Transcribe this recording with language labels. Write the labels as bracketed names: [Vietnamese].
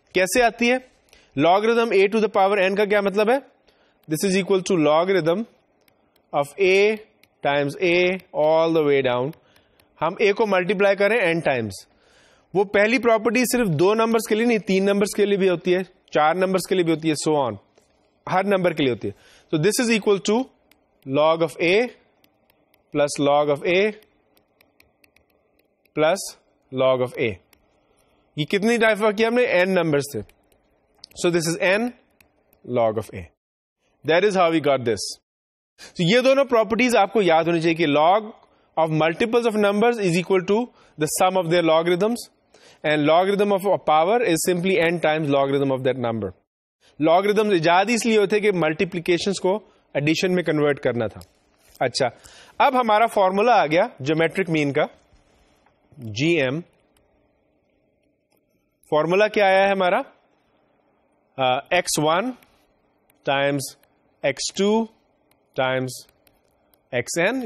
[Urdu] کیسے آتی ہے؟ [English] logarithm a to the power n [Urdu] کا کیا مطلب ہے؟ [English] This is equal to logarithm of a times a all the way down. [Urdu] ہم اے کو ملٹیپلائی کریں این ٹائمز. وہ پہلی پراپرٹی صرف دو نمبرز کے لیے نہیں, تین نمبرز کے لیے بھی ہوتی ہے, چار نمبرز کے لیے بھی ہوتی ہے, سو آن, ہر نمبر کے لیے ہوتی ہے. [English] تو this is equal to log of a plus log of a plus log of a. [Urdu] یہ کتنی ٹائپ کیا ہم نے؟ این نمبرز تھے. [English] So this is n log of a. That is how we got this. [Urdu] تو یہ دونوں پراپرٹیز آپ کو یاد ہونی چاہیے کہ [English] Log of multiples of numbers is equal to the sum of their logarithms and logarithm of a power is simply n times logarithm of that number. [Urdu] Logarithms ایجاد اس لیے ہوئے تھے کہ ملٹیپلیکیشنس کو ایڈیشن میں کنورٹ کرنا تھا. اچھا, اب ہمارا فارمولا آ گیا جیومیٹرک مین کا, جی ایم. فارمولا کیا آیا ہے ہمارا؟ X one Times x two times x N.